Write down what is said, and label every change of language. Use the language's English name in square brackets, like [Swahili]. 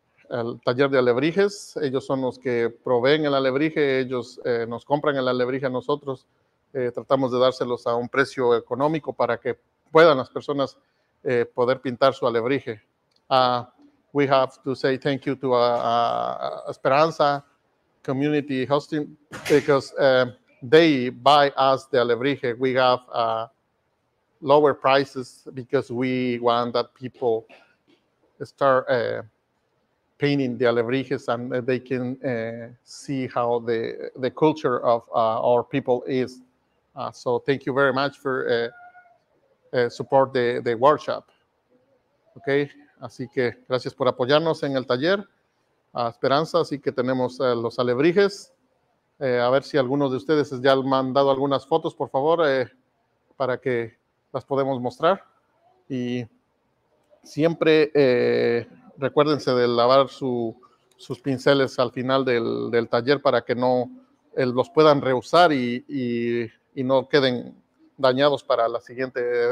[Spanish] el taller de alebrijes, ellos son los que proveen el alebrije, ellos nos compran el alebrije a nosotros, tratamos de dárselos a un precio económico para que puedan las personas poder pintar su alebrije. [English] We have to say thank you to Esperanza Community Hosting because they buy us the alebrije. We have lower prices because we want that people start painting the alebrijes and they can see how the culture of our people is. So thank you very much for support the workshop. [Spanish] Okay, así que gracias por apoyarnos en el taller. Esperanza, así que tenemos los alebrijes. A ver si algunos de ustedes ya han mandado algunas fotos, por favor, para que las podamos mostrar. Y siempre recuérdense de lavar sus pinceles al final del taller para que no los puedan reusar y no queden dañados para la siguiente.